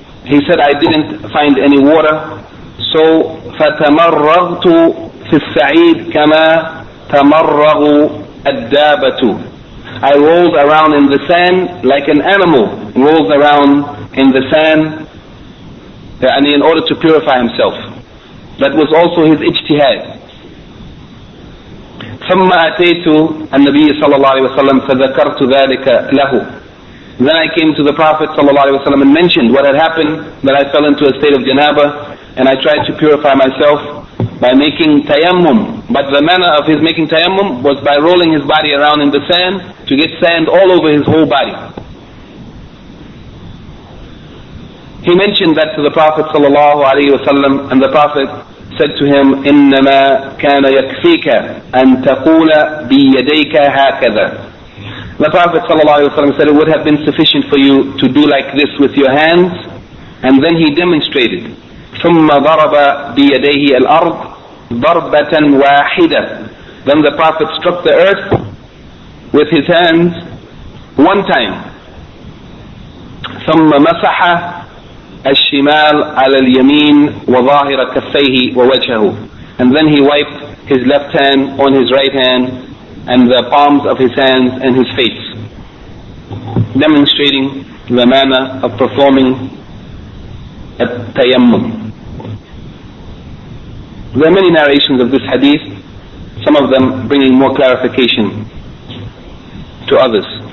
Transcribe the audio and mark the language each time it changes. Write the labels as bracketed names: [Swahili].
[English] He said, I didn't find any water, so [Arabic] فَتَمَرَّغْتُ فِي السَّعِيدِ كَمَا تَمَرَّغُ الدَّابَةُ. [English] I rolled around in the sand like an animal rolls around in the sand, and in order to purify himself. That was also his ijtihad. [Arabic] ثم أتيت النبي صلى الله عليه وسلم فذكرت ذلك له. [English] Then I came to the Prophet صلى الله عليه وسلم and mentioned what had happened, that I fell into a state of janaba and I tried to purify myself by making tayammum. But the manner of his making tayammum was by rolling his body around in the sand to get sand all over his whole body. He mentioned that to the Prophet صلى الله عليه وسلم, and the Prophet said to him, [Arabic] إِنَّمَا كَانَ يَكْفِيكَ أَن تَقُولَ بِيَدَيْكَ هَكَذَا. [English] The Prophet ﷺ said, it would have been sufficient for you to do like this with your hands. And then he demonstrated. [Arabic] ثُمَّ ضَرَبَ بِيَدَيْهِ الْأَرْضِ ضَرْبَةً وَاحِدَةً. [English] Then the Prophet struck the earth with his hands one time. [Arabic] ثُمَّ مَسَحَ الشمال على اليمين وظاهر كفيه ووجهه. [English] And then he wiped his left hand on his right hand and the palms of his hands and his face, demonstrating the manner of performing at-tayammum. There are many narrations of this hadith, some of them bringing more clarification to others.